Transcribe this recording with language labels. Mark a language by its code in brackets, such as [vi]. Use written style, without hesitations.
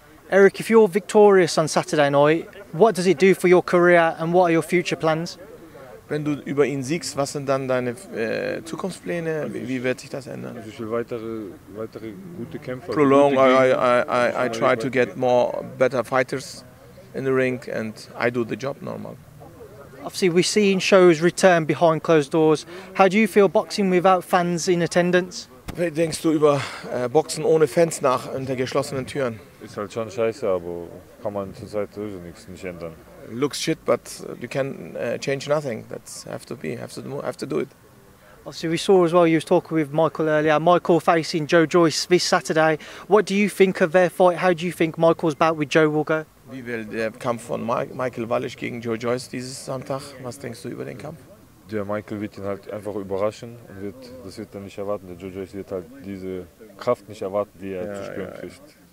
[en] Erik, if you're victorious on Saturday night, what does it do for your career and what are your future plans? [de] Wenn du über ihn siegst, was sind dann deine Zukunftspläne? Wie wird sich das ändern? Also ich will weitere gute Kämpfer. [en] Prolong. I try to get more better fighters in the ring and I do the job normal. Obviously, we've seen shows return behind closed doors. How do you feel boxing without fans in attendance? [de] Wie denkst du über Boxen ohne Fans nach hinter geschlossenen Türen? Ist halt schon scheiße, aber kann man zurzeit sowieso nichts nicht ändern. [en] Looks shit, but you can change nothing. That's have to do it. Obviously, we saw as well, you was talking with Michael earlier. Michael facing Joe Joyce this Saturday. What do you think of their fight? How do you think Michael's bout with Joe will go? [de] Wie will der Kampf von Michael Wallisch gegen Joe Joyce dieses Samstag? Was denkst du über den Kampf? Der Michael wird ihn halt einfach überraschen und wird er nicht erwarten. Der Joe Joyce wird halt diese Kraft nicht erwarten, die er zu spüren kriegt.